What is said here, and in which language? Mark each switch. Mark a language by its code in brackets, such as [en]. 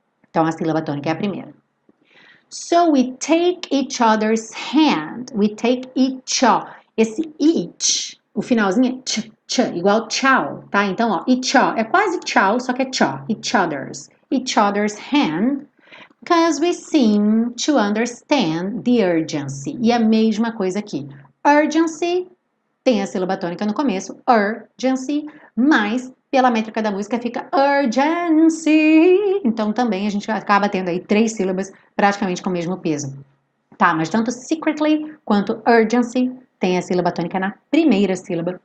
[pt] Então a sílaba tônica é a primeira. [en] So we take each other's hand, we take each, [pt] esse each, o finalzinho é ch, ch, igual tchau, tá? Então, ó, each, é quase tchau, só que é ch, [en] each other's hand. Because we seem to understand the urgency. [pt] E a mesma coisa aqui. Urgency tem a sílaba tônica no começo. Urgency. Mas, pela métrica da música, fica urgency. Então, também, a gente acaba tendo aí três sílabas praticamente com o mesmo peso. Tá, mas tanto secretly quanto urgency tem a sílaba tônica na primeira sílaba.